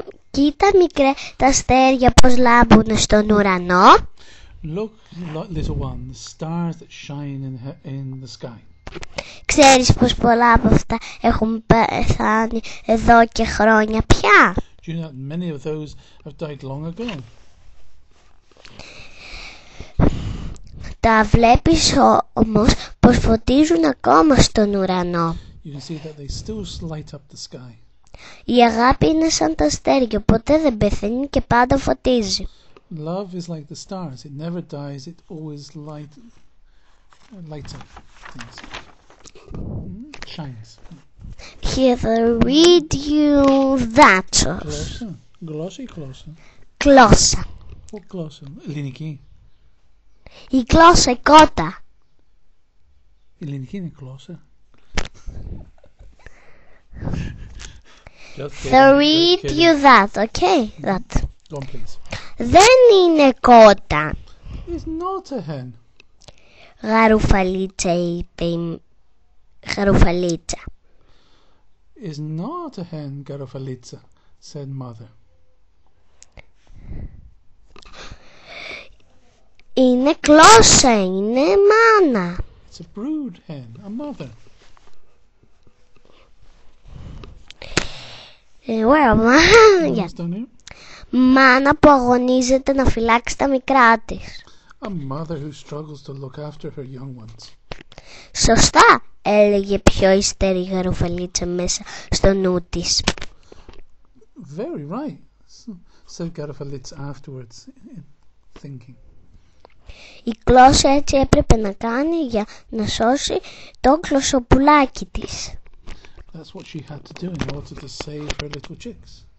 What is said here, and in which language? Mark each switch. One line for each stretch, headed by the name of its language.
Greek: Κοίτα μικρέ τα αστέρια πως λάμπουν στον ουρανό.
English: Look, little one, the stars that shine in the sky.
Greek: Ξέρεις πως πολλά από αυτά έχουν πεθάνει εδώ και χρόνια πια.
English: Do you know that many of those have died long ago?
Greek: Τα βλέπεις όμως πως φωτίζουν ακόμα στον ουρανό.
English: You can see that they still light up the sky.
Greek: Η αγάπη είναι σαν τα αστέρια, ποτέ δεν πεθαίνει και πάντα φωτίζει.
English: Love is like the stars, it never dies, it always lights up things. Shines. Here, I read you that.
Greek: Γλώσσα ή γλώσσα? Γλώσσα. Πού γλώσσα, ελληνική? Η γλώσσα, η κότα. Ελληνική είναι γλώσσα.
English: Θα read you that, okay, that. Go on, please.
Greek: Δεν είναι κότα.
English: It's not a hen.
Greek: Γαρουφαλίτσα είπε η γαρουφαλίτσα.
English: It's not a hen, γαρουφαλίτσα, said mother.
Greek: Είναι γλώσσα, είναι μάνα.
English: It's a brood hen, a mother. Where am I?
Greek: Μάνα που αγωνίζεται να φυλάξει τα μικρά της.
English: A mother who struggles to look after her young ones.
Greek: Σωστά, έλεγε πιο ύστερη η γαρουφαλίτσα μέσα στο νου της.
English: Very right, said γαρουφαλίτσα afterwards, thinking.
Greek: Η γλώσσα έτσι έπρεπε να κάνει για να σώσει το γλωσσοπουλάκι της.
English: That's what she had to do in order to save her little chicks.